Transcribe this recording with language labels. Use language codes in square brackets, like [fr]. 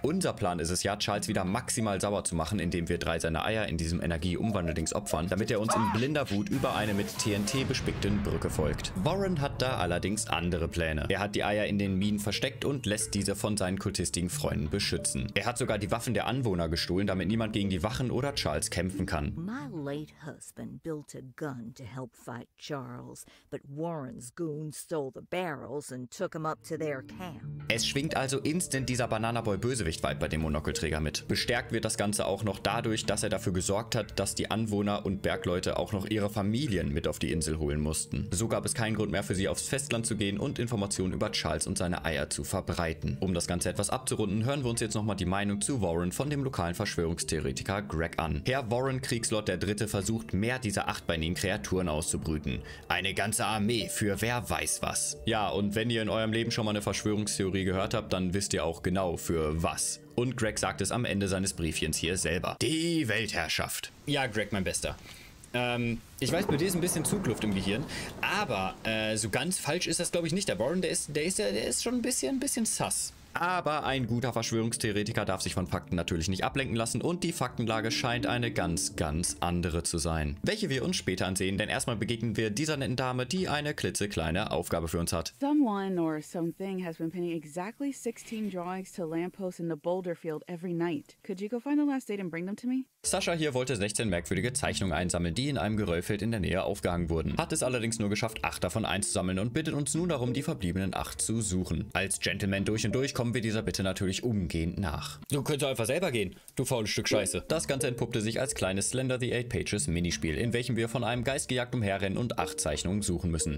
[de] Unser Plan ist es ja, Charles wieder maximal sauer zu machen, indem wir drei seiner Eier in diesem Energieumwandeldings opfern, damit er uns in blinder Wut über eine mit TNT bespickten Brücke folgt. Warren hat da allerdings andere Pläne. Er hat die Eier in den Minen versteckt und lässt diese von seinen kultistischen Freunden beschützen. Er hat sogar die Waffen der Anwohner gestohlen, damit niemand gegen die Wachen oder Charles kämpfen kann. [en] My late husband built a gun to help fight Charles, but Warren's goons stole the barrels and took him up to their camp. [de] Es schwingt also instant dieser Bananaboy-Bösewicht-Vibe bei dem Monokelträger mit. Bestärkt wird das Ganze auch noch dadurch, dass er dafür gesorgt hat, dass die Anwohner und Bergleute auch noch ihre Familien mit auf die Insel holen mussten. So gab es keinen Grund mehr für sie aufs Festland zu gehen und Informationen über Charles und seine Eier zu verbreiten. Um das Ganze etwas abzurunden, hören wir uns jetzt nochmal die Meinung zu Warren von dem lokalen Verschwörungstheoretiker Greg an. Herr Warren, Kriegslord der Dritte, versucht, mehr dieser achtbeinigen Kreaturen auszubrüten. Eine ganze Armee für wer weiß was. Ja, und wenn ihr in eurem Leben schon mal eine Verschwörungstheorie gehört habt, dann wisst ihr auch genau für was. Und Greg sagt es am Ende seines Briefchens hier selber. Die Weltherrschaft. Ja, Greg, mein Bester. Ich weiß, bei dir ist ein bisschen Zugluft im Gehirn, aber so ganz falsch ist das, glaube ich, nicht. Der Warren, der ist schon ein bisschen sus. Aber ein guter Verschwörungstheoretiker darf sich von Fakten natürlich nicht ablenken lassen und die Faktenlage scheint eine ganz, ganz andere zu sein. Welche wir uns später ansehen, denn erstmal begegnen wir dieser netten Dame, die eine klitzekleine Aufgabe für uns hat. [en] Someone or something has been pinning exactly 16 drawings to lampposts in the Boulder Field every night. Could you go find the last date and bring them to me? [de] Sascha hier wollte 16 merkwürdige Zeichnungen einsammeln, die in einem Geröllfeld in der Nähe aufgehangen wurden. Hat es allerdings nur geschafft, 8 davon einzusammeln und bittet uns nun darum, die verbliebenen 8 zu suchen. Als Gentleman durch und durch kommen wir dieser Bitte natürlich umgehend nach. Du könntest einfach selber gehen, du faules Stück Scheiße. Das Ganze entpuppte sich als kleines Slender the Eight Pages Minispiel, in welchem wir von einem Geist gejagt umherrennen und 8 Zeichnungen suchen müssen.